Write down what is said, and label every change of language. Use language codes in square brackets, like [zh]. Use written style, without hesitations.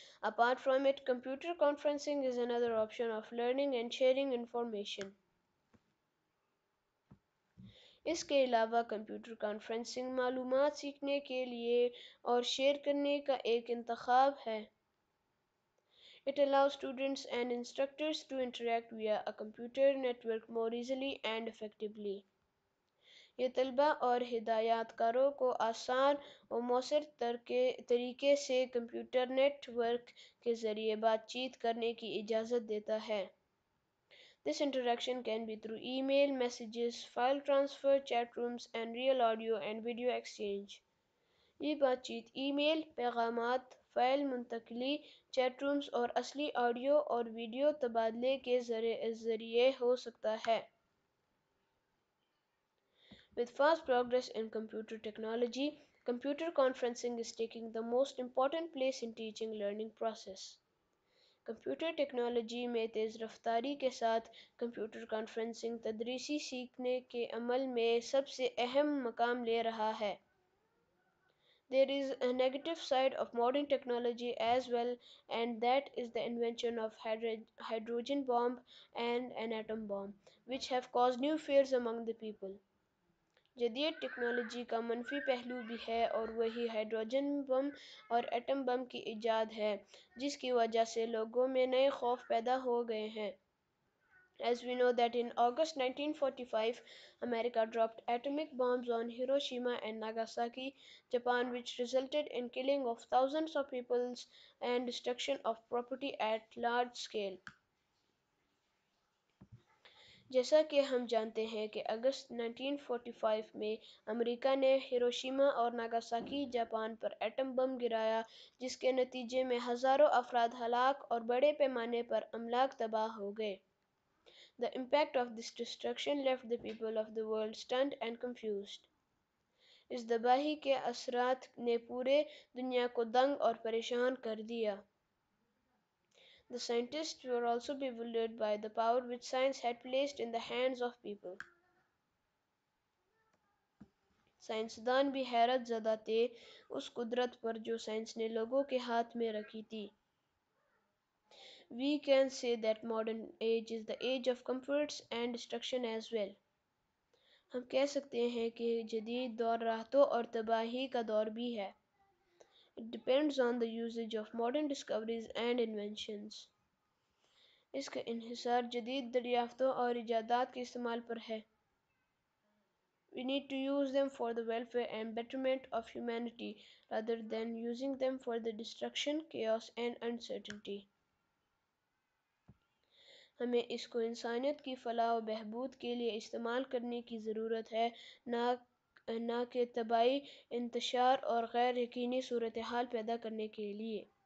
[en] Apart from it, computer conferencing is another option of learning and sharing information. [ur] اس کے علاوہ computer conferencing معلومات سیکھنے کے لیے اور شیئر کرنے کا ایک انتخاب ہے. [en] It allows students and instructors to interact via a computer network more easily and effectively. [ur] یہ طلبہ اور ہدایات کاروں کو آسان و مؤثر طریقے سے کمپیوٹر نیٹ ورک کے ذریعے بات چیت کرنے کی اجازت دیتا ہے. [en] This interaction can be through email, messages, file transfer, chat rooms and real audio and video exchange. [ur] یہ بات چیت email, پیغامات, فائل منتقلی, chat rooms اور اصلی audio اور video تبادلے کے ذریعے ہو سکتا ہے. [en] With fast progress in computer technology, computer conferencing is taking the most important place in teaching learning process. [ur] Computer technology میں تیز رفتاری کے ساتھ computer conferencing تدریسی سیکھنے کے عمل میں سب سے اہم مقام لے رہا ہے. [en] There is a negative side of modern technology as well, and that is the invention of hydrogen bomb and an atom bomb, which have caused new fears among the people. [ur] جدید ٹیکنالوجی کا منفی پہلو بھی ہے اور وہی hydrogen بم اور atom bomb کی ایجاد ہے جس کی وجہ سے لوگوں میں نئے خوف پیدا ہو گئے ہیں. [en] As we know that in August 1945, America dropped atomic bombs on Hiroshima and Nagasaki, Japan, which resulted in killing of thousands of people and destruction of property at large scale. [ur] جیسا کہ ہم جانتے ہیں کہ اگست 1945 میں امریکہ نے ہیروشیما اور Nagasaki Japan پر atom bomb گرایا جس کے نتیجے میں ہزاروں افراد ہلاک اور بڑے پیمانے پر املاک تباہ ہو گئے. [en] The impact of this destruction left the people of the world stunned and confused. [ur] اس تباہی کے اثرات نے پورے دنیا کو دنگ اور پریشان کر دیا. [en] The scientists were also bewildered by the power which science had placed in the hands of people. [ur] سائنسدان بھی حیرت زدہ تھے اس قدرت پر جو سائنس نے لوگوں کے ہاتھ میں رکھی تھی. [en] We can say that modern age is the age of comforts and destruction as well. [ur] ہم کہہ سکتے ہیں کہ جدید دور راحتوں اور تباہی کا دور بھی ہے. [en] It depends on the usage of modern discoveries and inventions. [ur] اس کا انحصار جدید دریافتوں اور ایجادات کے استعمال پر ہے. [en] We need to use them for the welfare and betterment of humanity rather than using them for the destruction, chaos and uncertainty. [ur] ہمیں اس کو انسانیت کی فلاح و بہبود کے لیے استعمال کرنے کی ضرورت ہے, نہ کہ تباہی, انتشار اور غیر یقینی صورتحال پیدا کرنے کے لیے.